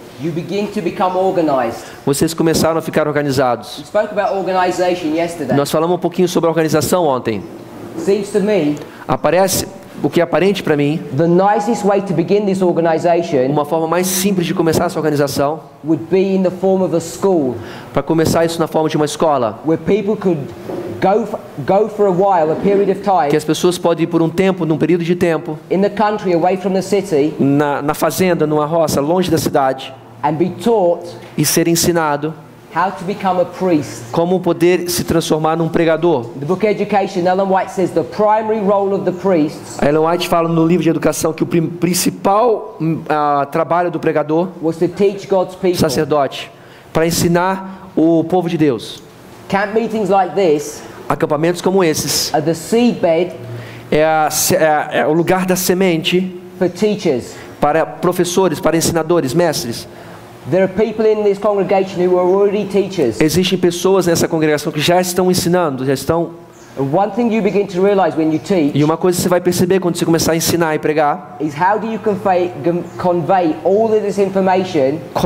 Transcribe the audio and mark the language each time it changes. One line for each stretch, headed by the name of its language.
English: you begin to become organized.
Portuguese: Vocês começaram a ficar organizados.
English: We spoke about organization yesterday.
Portuguese: Nós falamos um pouquinho sobre a organização ontem.
English: Seems to me,
Portuguese: aparece o que é aparente para mim.
English: The nicest way to begin this organization,
Portuguese: uma forma mais simples de começar essa organização,
English: would be in the form of a school.
Portuguese: Para começar isso na forma de uma escola.
English: Where people could go for a while, a period of time.
Portuguese: Que as pessoas podem ir por um tempo, num período de tempo.
English: In the country, away from the city.
Portuguese: Na fazenda, numa roça, longe da cidade.
English: And be taught.
Portuguese: E ser ensinado.
English: How to become a priest.
Portuguese: Como poder se transformar num pregador.
English: The book Education, Ellen White says the primary role of the priest.
Portuguese: Ellen White fala no livro de educação que o principal trabalho do pregador.
English: Was to teach God's people.
Portuguese: Sacerdote, para ensinar o povo de Deus.
English: Camp meetings like this.
Portuguese: Acampamentos como esses.
English: Are the seedbed.
Portuguese: É o lugar da semente.
English: For teachers.
Portuguese: Para professores, para ensinadores, mestres.
English: There are people in this congregation who are already teachers.
Portuguese: Existem pessoas nessa congregação que já estão ensinando, já estão.
English: One thing you begin to realize when you teach.
Portuguese: E uma coisa que você vai perceber quando você começar a ensinar e pregar.
English: Is how do you convey all of this information?